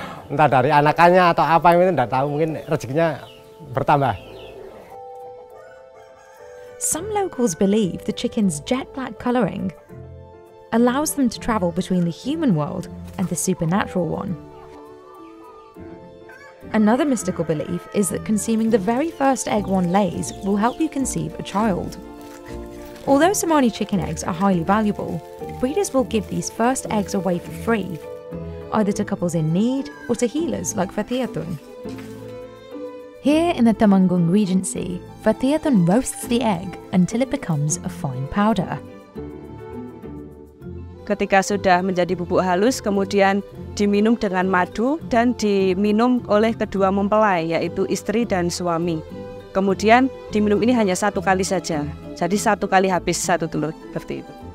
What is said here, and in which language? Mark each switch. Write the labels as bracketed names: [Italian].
[Indonesian] Entah dari anakannya atau apa yang itu, enggak tahu, mungkin rezekinya bertambah. [English] Some locals believe the chickens' jet black coloring allows them to travel between the human world and the supernatural one. Another mystical belief is that consuming the very first egg one lays will help you conceive a child. Although Cemani chicken eggs are highly valuable, breeders will give these first eggs away for free, either to couples in need or to healers like Fathiathun. Here in the Temanggung Regency, Fathiathun roasts the egg until it becomes a fine powder. [Indonesian] Ketika sudah menjadi bubuk halus, kemudian diminum dengan madu dan diminum oleh kedua mempelai, yaitu istri dan suami. Kemudian diminum ini hanya satu kali saja, jadi satu kali habis satu telur, seperti itu.